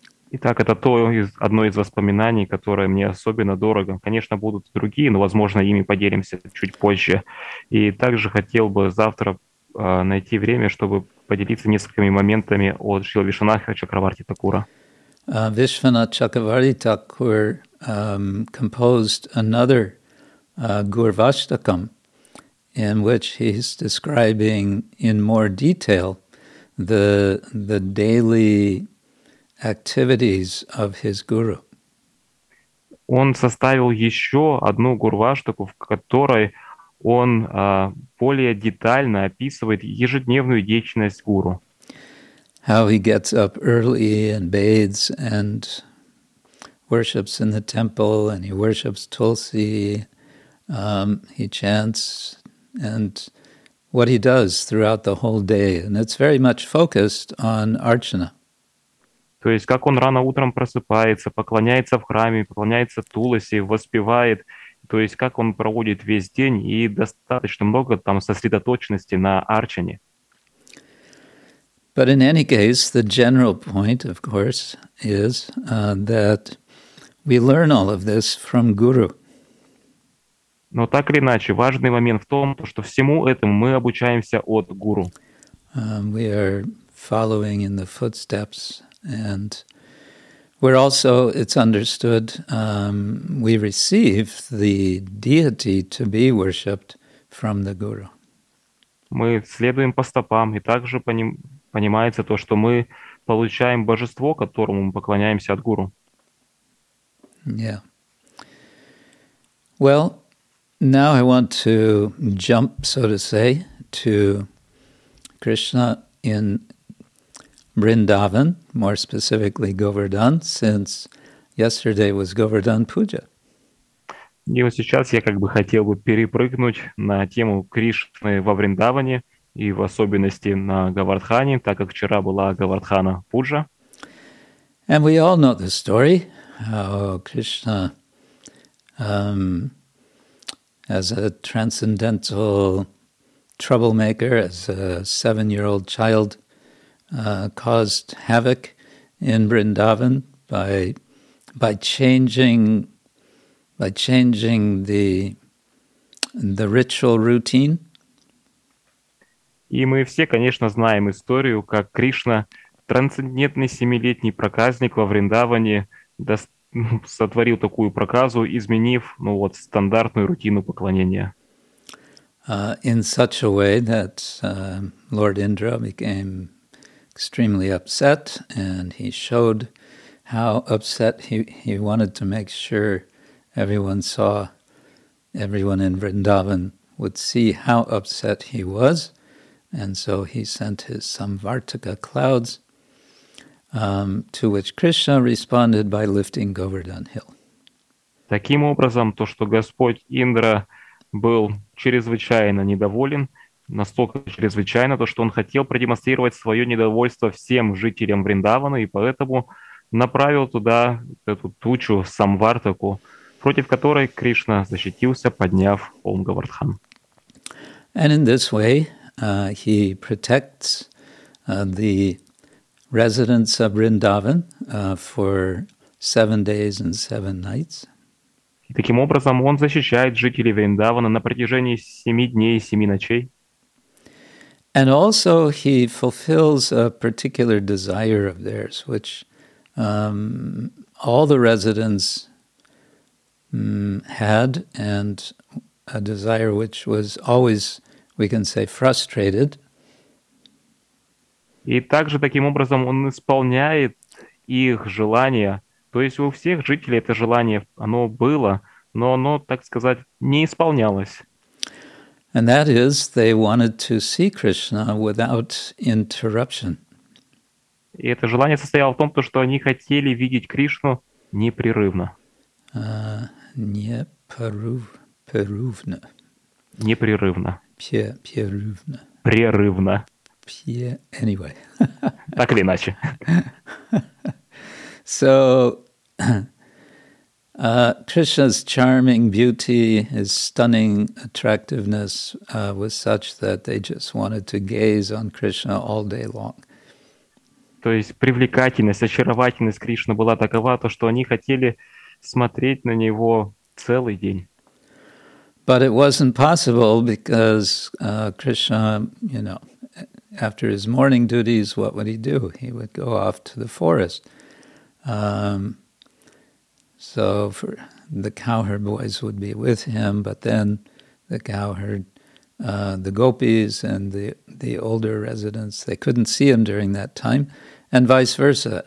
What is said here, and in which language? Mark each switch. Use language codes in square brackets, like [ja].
[ru] Итак, это одно из воспоминаний, которое мне особенно дорого. Конечно, будут другие, но, возможно, ими поделимся чуть позже. И также хотел бы завтра найти время, чтобы поделиться несколькими моментами от Шрилы Вишванатха Чакраварти Такура. [en] Vishwanath Chakravarti Thakur composed another Gurvashtakam in which he's describing in more detail the daily activities of his guru. [ru] Он составил еще одну гурваштаку, в которой он более детально описывает ежедневную деятельность гуру. [en] How he gets up early and bathes and worships in the temple and he worships Tulsi, he chants and what he does throughout the whole day. And it's very much focused on Archana. [ru] То есть, как он рано утром просыпается, поклоняется в храме, поклоняется Туласи, воспевает. То есть, как он проводит весь день и достаточно много там сосредоточенности на Арчане. [en] But in any case, the general point, of course, is that we learn all of this from Guru. [ru] Но так или иначе, важный момент в том, что всему этому мы обучаемся от Гуру. [en] We are following in the footsteps, and we're also, it's understood, we receive the deity to be worshipped from the Guru. [ru] Мы следуем по стопам, и также понимается то, что мы получаем божество, которому мы поклоняемся от Гуру. [en] Yeah. Well, now I want to jump, so to say, to Krishna in Vrindavan, more specifically Govardhan, since yesterday was Govardhan Puja. [ru] И вот сейчас я как бы хотел бы перепрыгнуть на тему Кришны во Вриндаване и в особенности на Говардхане, так как вчера была Говардхана Пуджа. [en] And we all know the story, how Krishna, as a transcendental troublemaker, as a seven-year-old child, caused havoc in Vrindavan by changing the ritual routine. [ru] И мы все, конечно, знаем историю, как Кришна, трансцендентный семилетний проказник во Вриндаване, сотворил такую проказу, изменив, ну вот, стандартную рутину поклонения. [en] In such a way that Lord Indra became extremely upset, and he showed how upset he wanted to make sure everyone saw, everyone in Vrindavan would see how upset he was. And so he sent his Samvartaka clouds, to which Krishna responded by lifting Govardhan Hill. [ru] Таким образом, то, что Господь Индра был чрезвычайно недоволен, настолько чрезвычайно, то, что он хотел продемонстрировать свое недовольство всем жителям Вриндавана, и поэтому направил туда эту тучу Самвартаку, против которой Кришна защитился, подняв Ом Говардхан. [en] And in this way, he protects the residents of Vrindavan for 7 days and 7 nights. [ru] И таким образом он защищает жителей Вриндавана на протяжении 7 дней и 7 ночей. [en] And also he fulfills a particular desire of theirs, which all the residents had, and a desire which was always, we can say, frustrated. [ru] И также таким образом он исполняет их желания. То есть у всех жителей это желание, оно было, но оно, так сказать, не исполнялось. [en] And that is, they wanted to see Krishna without interruption. [ru] И это желание состояло в том, что они хотели видеть Кришну непрерывно. Непрерывно. Непрерывно. Прерывно. Прерывно. [en] Anyway. [ru] Так или иначе. [en] So, Krishna's charming beauty, his stunning attractiveness was such that they just wanted to gaze on Krishna all day long. [ru] То есть привлекательность, очаровательность Кришны была такова, то что они хотели смотреть на него целый день. [en] But it wasn't possible because Krishna, you know, after his morning duties, what would he do? He would go off to the forest. So for the cowherd boys would be with him, but then the cowherd, the gopis and the older residents, they couldn't see him during that time, and vice versa.